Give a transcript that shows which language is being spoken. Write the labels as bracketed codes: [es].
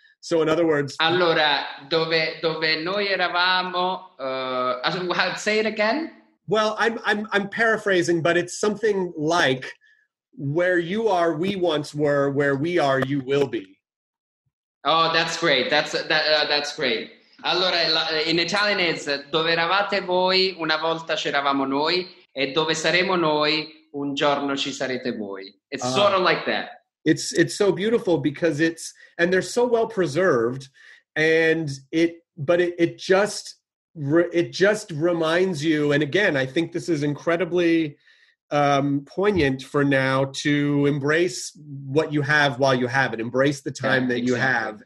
[en] So in other words, [it] allora, dove noi eravamo, [en] say it again. Well, I'm paraphrasing, but it's something like, where you are, we once were, where we are, you will be. Oh, that's great. That's great. [it] Allora, in italianese, dove eravate voi, una volta c'eravamo noi, e dove saremo noi, un giorno ci sarete voi. [en] It's sort of like that. It's so beautiful because it's, and they're so well preserved, and it just reminds you, and again, I think this is incredibly poignant for now, to embrace what you have while you have it, embrace the time you have.